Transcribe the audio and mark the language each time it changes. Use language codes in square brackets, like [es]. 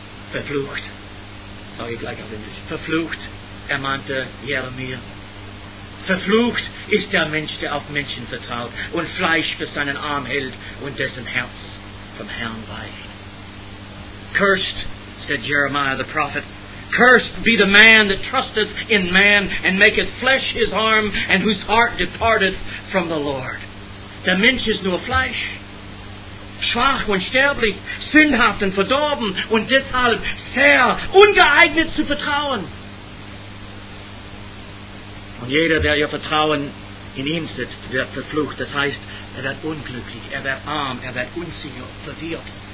[de] Verflucht, sage ich gleich auf Englisch. Verflucht, ermahnte Jeremia. Verflucht ist der Mensch, der auf Menschen vertraut und Fleisch für seinen Arm hält und dessen Herz vom Herrn weicht. [en] Cursed, said Jeremiah the prophet, cursed be the man that trusteth in man and maketh flesh his arm and whose heart departeth from the Lord. [de] Der Mensch ist nur Fleisch, schwach und sterblich, sündhaft und verdorben und deshalb sehr ungeeignet zu vertrauen. Und jeder, der ihr Vertrauen in ihn setzt, wird verflucht. Das heißt, er wird unglücklich, er wird arm, er wird unsicher, verwirrt.